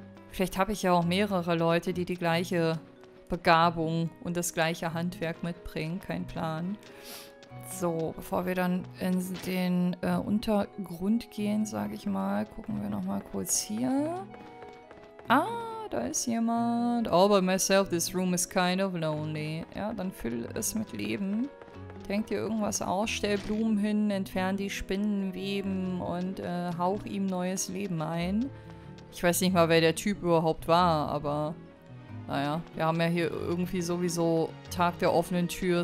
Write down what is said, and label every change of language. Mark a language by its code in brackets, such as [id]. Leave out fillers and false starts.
[de] Vielleicht habe ich ja auch mehrere Leute, die gleiche Begabung und das gleiche Handwerk mitbringen. Kein Plan. So, bevor wir dann in den Untergrund gehen, sage ich mal, gucken wir noch mal kurz hier. Ah, da ist jemand. [en] All by myself, this room is kind of lonely. [de] Ja, dann füll es mit Leben. Denk dir irgendwas aus, stell Blumen hin, entferne die Spinnenweben und hauch ihm neues Leben ein. Ich weiß nicht mal, wer der Typ überhaupt war, aber naja, wir haben ja hier irgendwie sowieso Tag der offenen Tür.